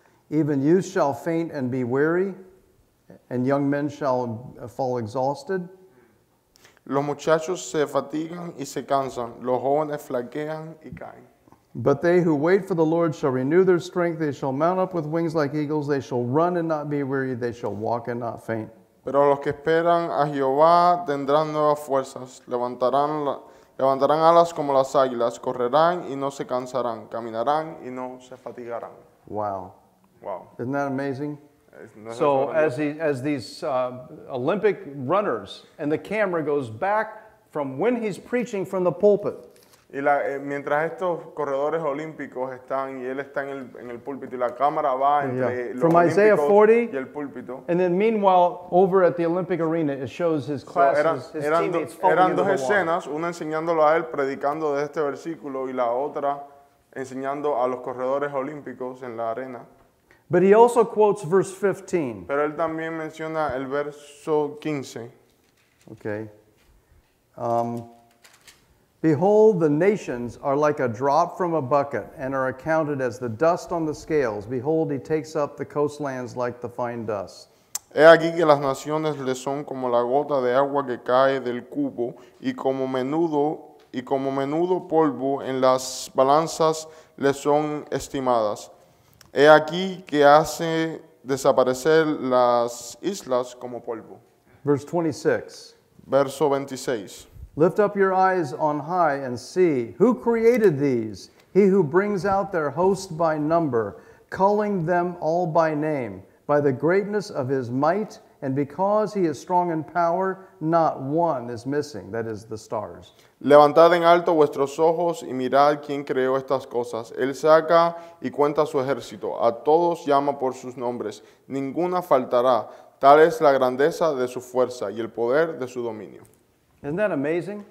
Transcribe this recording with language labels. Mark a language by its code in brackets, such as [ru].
[en] Even youth shall faint and be weary, and young men shall fall exhausted. [es] Los muchachos se fatigan y se cansan, los jóvenes flaquean y caen. [en] But they who wait for the Lord shall renew their strength. They shall mount up with wings like eagles. They shall run and not be weary. They shall walk and not faint. [es] Pero los que esperan a Jehová tendrán nuevas fuerzas. Levantarán alas como las águilas. Correrán y no se cansarán. Caminarán y no se fatigarán. [en] Wow. Wow. Isn't that amazing? So as these Olympic runners, and the camera goes back from when he's preaching from the pulpit. [es] Y la, mientras estos corredores olímpicos están y él está en el púlpito y la cámara va entre yeah. los [en] from [es] olímpicos [en] Isaiah 40, [es] y el púlpito. [en] And then meanwhile, over at the Olympic arena, it shows his classes, so [es] eran dos escenas, una enseñándolo a él predicando de este versículo y la otra enseñando a los corredores olímpicos en la arena. [en] But he also quotes verse 15. [es] Pero él también menciona el verso 15. [en] Okay. Behold, the nations are like a drop from a bucket and are accounted as the dust on the scales. Behold, he takes up the coastlands like the fine dust. [es] He aquí que las naciones le son como la gota de agua que cae del cubo y como menudo polvo en las balanzas le son estimadas. He aquí que hace desaparecer las islas como polvo. [en] Verse 26. [es] Verso 26. [en] Lift up your eyes on high and see who created these. He who brings out their host by number, calling them all by name, by the greatness of his might, and because he is strong in power, not one is missing. That is the stars. [es] Levantad en alto vuestros ojos y mirad quién creó estas cosas. Él saca y cuenta su ejército. A todos llama por sus nombres. Ninguna faltará. Tal es la grandeza de su fuerza y el poder de su dominio. [en] Isn't that amazing?